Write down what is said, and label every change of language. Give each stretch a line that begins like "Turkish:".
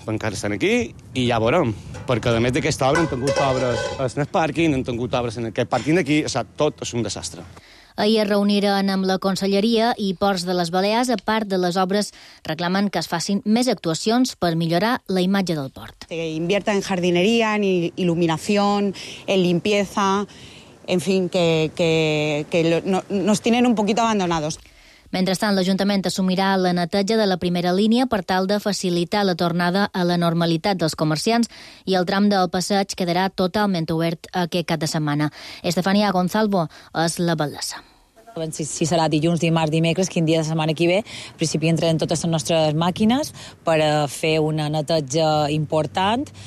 Catalan: Encara estan aquí i ja veurem. Perquè, a més d'aquesta obra, han tingut obres al Snap Parking, han tingut obres en aquest pàrquing d'aquí, o sigui, tot és un desastre. Ahir es reuniren amb la Conselleria i Ports de les Balears, a part de les obres, reclamen que es facin més actuacions per millorar la imatge del port.
Spanish: Se invierta en jardinería, en iluminación, en limpieza, en fin, que nos tienen un poquito abandonados.
Catalan: Mentrestant, l'Ajuntament assumirà la neteja de la primera línia per tal de facilitar la tornada a la normalitat dels comerciants i el tram del passeig quedarà totalment obert aquest cap de setmana. Estefania Gonzalvo és la batllessa. Si serà dilluns, dimarts, dimecres, quin dia de setmana que ve, al principi entrarem totes les nostres màquines per fer una neteja important.